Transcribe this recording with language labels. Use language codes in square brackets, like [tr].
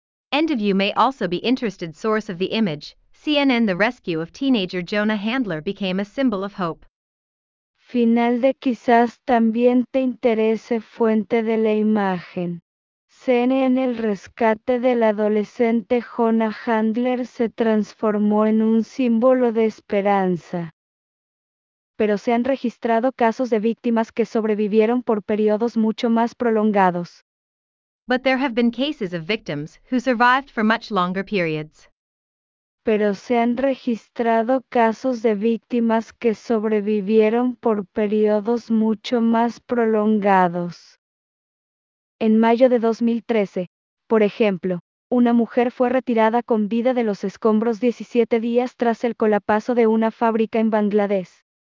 [en] End of you may also be interested source of the image. CNN. The rescue of teenager Jonah Handler became a symbol of hope. [es] Final de quizás también te interese fuente de la imagen. CNN. El rescate del adolescente Jonah Handler se transformó en un símbolo de esperanza. Pero se han registrado casos de víctimas que sobrevivieron por periodos mucho más prolongados. [en] But there have been cases of victims who survived for much longer periods. [es] Pero se han registrado casos de víctimas que sobrevivieron por periodos mucho más prolongados. En mayo de 2013, por ejemplo, una mujer fue retirada con vida de los escombros 17 días tras el colapso de una fábrica en Bangladesh.